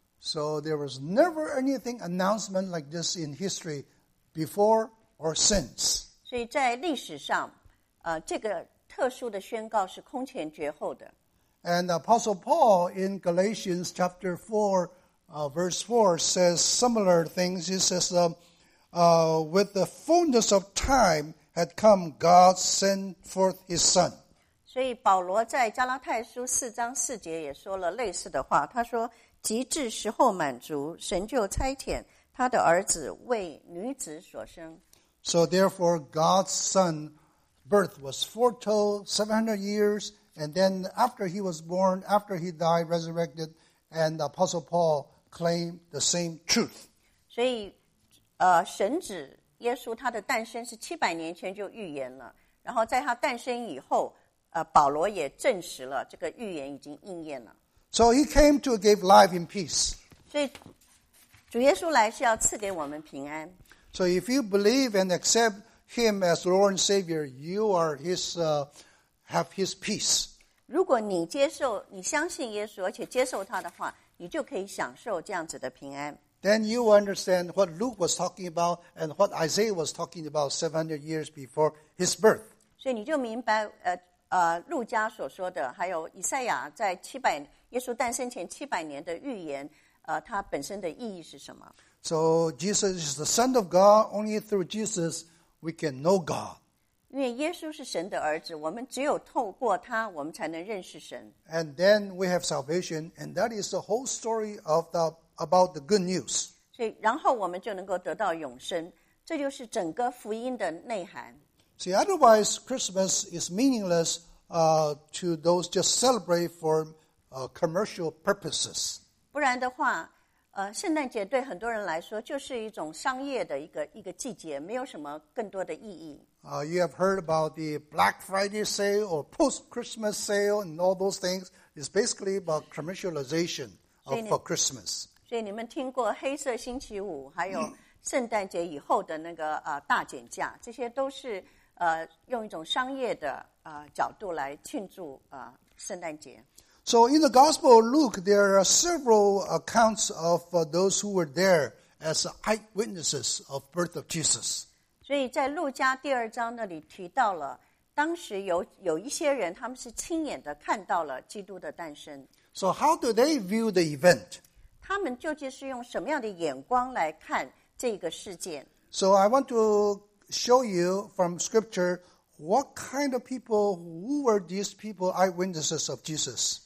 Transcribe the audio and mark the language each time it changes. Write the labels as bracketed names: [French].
[English] So there was never anything announcement like this in history before or since. [Chinese] 所以在历史上这个特殊的宣告是空前绝后的。 [English] And Apostle Paul in Galatians chapter 4, verse 4 says similar things. He says, with the fullness of time had come, God sent forth his son. [Chinese] 所以保罗在加拉太书四章四节也说了类似的话。他说极致时候满足神就差遣他的儿子为女子所生。 [English] So therefore, God's son's birth was foretold 700 years, and then after he was born, after he died, resurrected, and the Apostle Paul claimed the same truth. [Chinese] 所以神子耶稣他的诞生是700年前就预言了。然后在他诞生以后保罗也证实了这个预言已经应验了。 [English] So he came to give life in peace. [Chinese] 所以主耶稣来是要赐给我们平安。 [English] So if you believe and accept him as Lord and Savior, you are his, have his peace. [Chinese] 如果你接受，你相信耶稣，而且接受他的话，你就可以享受这样子的平安。 [English] Then you understand what Luke was talking about and what Isaiah was talking about 700 years before his birth. [Chinese] 所以你就明白路加所说的，还有以赛亚在耶稣诞生前700年的预言它本身的意义是什么。 [English] So Jesus is the Son of God. Only through Jesus we can know God. [Chinese] 因为耶稣是神的儿子，我们只有透过他，我们才能认识神。 [English] And then we have salvation, and that is the whole story of the about the good news. [Chinese] 所以，然后我们就能够得到永生，这就是整个福音的内涵。 [English] See, otherwise Christmas is meaningless to those just celebrate for commercial purposes. [Chinese] 不然的话。圣诞节对很多人来说就是一种商业的一个季节，没有什么更多的意义。 [English] You have heard about the Black Friday sale or post-Christmas sale and all those things. It's basically about commercialization for Christmas. [Chinese] 所以你们听过黑色星期五，还有圣诞节以后的那个大减价，这些都是用一种商业的角度来庆祝圣诞节。 [English] So in the Gospel of Luke, there are several accounts of those who were there as eyewitnesses of birth of Jesus. [Chinese] 所以在路加第二章那里提到了，当时有一些人他们是亲眼的看到了基督的诞生。 [English] So how do they view the event? [Chinese] 他们究竟是用什么样的眼光来看这个事件？ [English] So I want to show you from Scripture what kind of people, who were these people eyewitnesses of Jesus?